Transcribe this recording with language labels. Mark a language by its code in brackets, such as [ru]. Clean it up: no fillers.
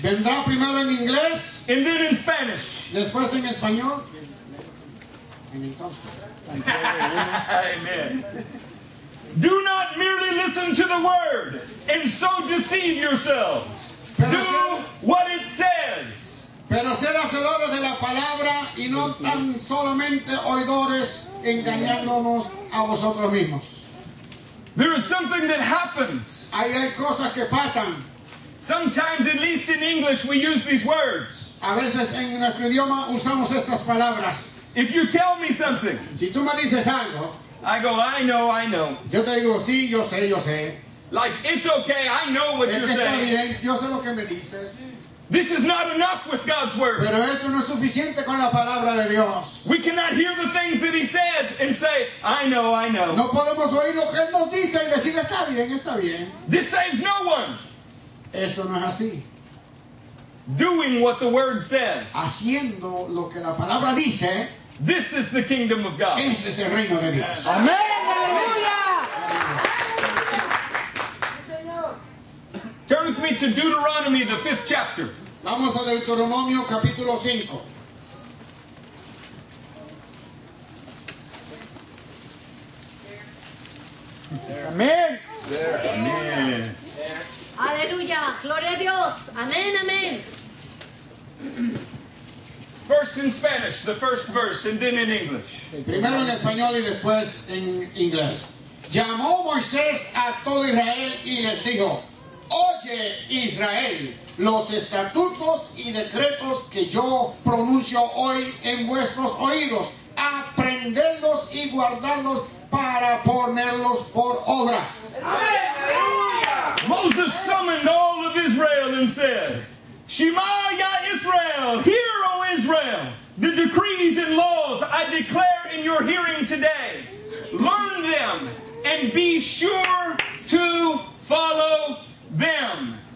[es] Vendrá primero en inglés. [en] And then in Spanish. [es] Después en español. [en] Amen. Do not merely listen to the word and so deceive yourselves. Do what it says. [es] Pero ser hacedores de la palabra y no tan solamente oidores engañándonos a vosotros mismos. [en] There is something that happens. [es] Hay cosas que pasan. [en] Sometimes, at least in English, we use these words. [es] A veces en nuestro idioma usamos estas palabras. [en] If you tell me something. [es] Si tú me dices algo. [en] I go, I know, I know. [es] Yo te digo, sí, yo sé, yo sé. [en] Like, it's okay, I know what you're [es] está [en] saying. [es] Bien. Yo sé lo que me dices. [en] This is not enough with God's word. [es] Pero eso no es suficiente con la palabra de Dios. [en] We cannot hear the things that he says and say, I know, I know. [es] No podemos oír lo que él nos dice y decir, está bien, está bien. [en] This saves no one. [es] Eso no es así. [en] Doing what the word says. [es] Haciendo lo que la palabra dice. [en] This is the kingdom of God. [es] Ese es el reino de Dios. [en] Yes. [es] Amén. Aleluya. [en] Turn with me to Deuteronomy, the 5th chapter. [es] Vamos a Deuteronomio, capítulo 5. Amén. Amén. Aleluya. Gloria a Dios. Amén, amén. [en] First in Spanish, the first verse, and then in English. [es] Primero en español y después en inglés. Llamó Moisés a todo Israel y les dijo, Oye, Israel, los estatutos y decretos que yo pronuncio hoy en vuestros oídos, aprendedlos y guardadlos para ponerlos por obra. [en] Moses summoned all of Israel and said, [he] Shema ya Israel, [en] hear O Israel, the decrees and laws I declare in your hearing today. Learn them and be sure to follow them.